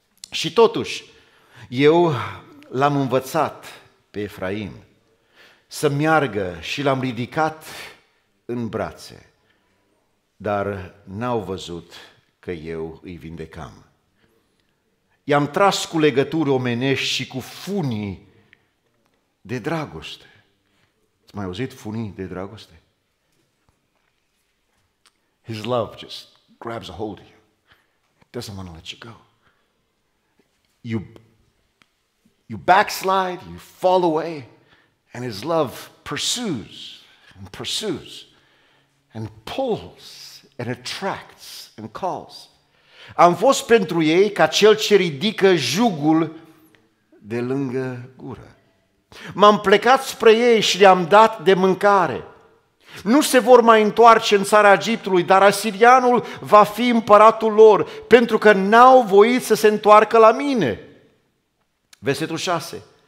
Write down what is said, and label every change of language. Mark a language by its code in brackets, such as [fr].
[ro] Și totuși, eu l-am învățat pe Efraim să meargă și l-am ridicat în brațe, dar n-au văzut că eu îi vindecam. I-am tras cu legături omenești și cu funii de dragoste. Ați mai auzit funii de dragoste? [en] His love just grabs a hold of you. It doesn't want to let you go. You backslide, you fall away, and his love pursues and pursues and pulls and attracts and calls. [ro] Am fost pentru ei ca cel ce ridică jugul de lângă gură. M-am plecat spre ei și le-am dat de mâncare. Nu se vor mai întoarce în țara Egiptului, dar asirianul va fi împăratul lor, pentru că n-au voit să se întoarcă la mine. Versetul 6.